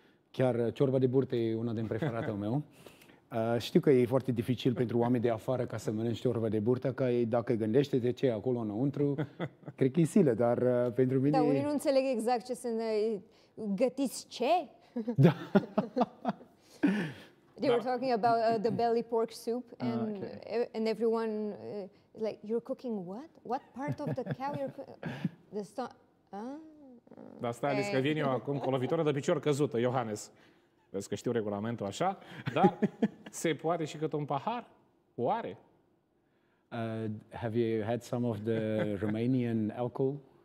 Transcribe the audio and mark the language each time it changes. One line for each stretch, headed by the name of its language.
Romanian: Chiar ciorba de burtă e una din preferatele meu. Știu că e foarte dificil pentru oameni de afară ca să mănânci ciorba de burtă, că dacă gândește de ce e acolo înăuntru, cred că e silă, dar pentru mine... Da, unii nu înțeleg exact ce sunt... Gătiți ce? Da.
English: They were talking about the belly pork soup and, okay. And everyone... like, you're cooking what? What part of the cow you're cooking? The stomach...
Romanian: Dar stai, zic că vin eu acum cu o lovitură de picior căzută, Iohannes. Vezi că știu regulamentul așa, dar se poate și cât un pahar? Oare?
English: Have you had some of the Romanian alcohol?